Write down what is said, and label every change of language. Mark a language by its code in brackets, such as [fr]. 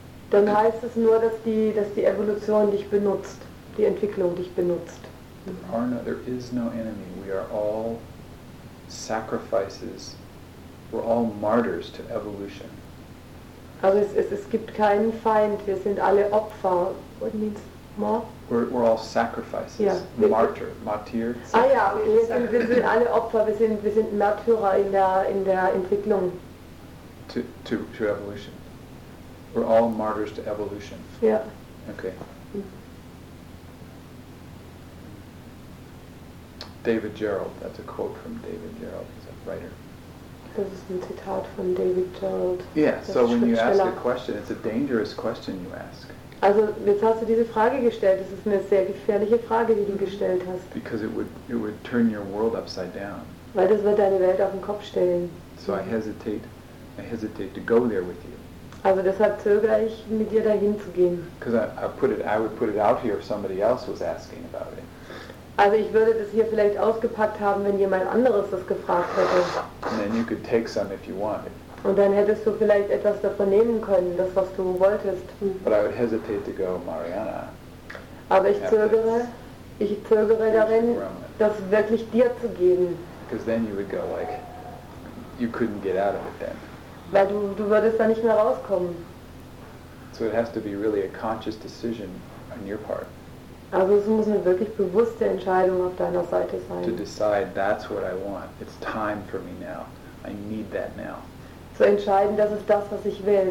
[de] Dann heißt es nur, dass die Evolution dich benutzt. Die Entwicklung dich benutzt. [en] There is no enemy. We are all sacrifices We're all martyrs to evolution. [de] Also es gibt keinen Feind, wir sind alle Opfer. [en] What means more? We're all sacrifices. Yeah. Martyr. [de] Ah ja, wir sind alle Opfer, wir sind Märtyrer in der Entwicklung. [en] To evolution. We're all martyrs to evolution. Yeah. Okay. David Gerrold, that's a quote from David Gerrold, he's a writer. [de] Das ist ein Zitat von David Gerrold. [en] Yeah, so when you ask a question, it's a dangerous question you ask. [de] Also, jetzt hast du diese Frage gestellt, das ist eine sehr gefährliche Frage, die du gestellt hast. [en] Because it would turn your world upside down. [de] Weil das wird deine Welt auf den Kopf stellen. [en] So I hesitate to go there with you. [de] Also deshalb zögere ich, mit dir dahin zu gehen. [en] Because I would put it out here if somebody else was asking about it. [de] Also ich würde das hier vielleicht ausgepackt haben, wenn jemand anderes das gefragt hätte. [en] And then you could take some if you wanted. [de] Und dann hättest du vielleicht etwas davon nehmen können, das was du wolltest. [en] But I would hesitate to go, Mariana. [de] Aber ich zögere darin, das wirklich dir zu geben. [en] Because then you would go like, you couldn't get out of it then. [de] Weil du würdest da nicht mehr rauskommen. [en] So it has to be really a conscious decision on your part. [de] Also es muss eine wirklich bewusste Entscheidung auf deiner Seite sein. [en] To decide, that's what I want. It's time for me now. I need that now. [de] Zu entscheiden, das ist das, was ich will.